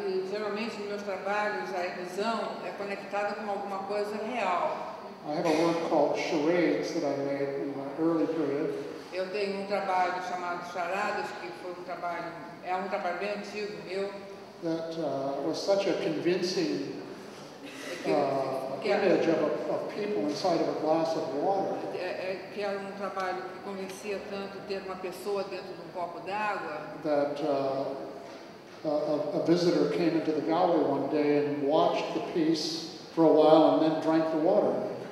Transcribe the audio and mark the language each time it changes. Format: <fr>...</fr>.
<pt>Geralmente, nos meus trabalhos, a ilusão é conectada com alguma coisa real.</pt> <en>I have a work called Charades that I made in my early period.</en> <pt>Eu tenho trabalho chamado Charadas, que foi trabalho, trabalho bem antigo meu.</pt> <en>That was such a convincing image of people inside of a glass of water.</en> <pt>Que era trabalho que convencia tanto ter uma pessoa dentro de copo d'água.</pt> <en>That a visitor came into the gallery one day and watched the piece for a while and then drank the water.</en>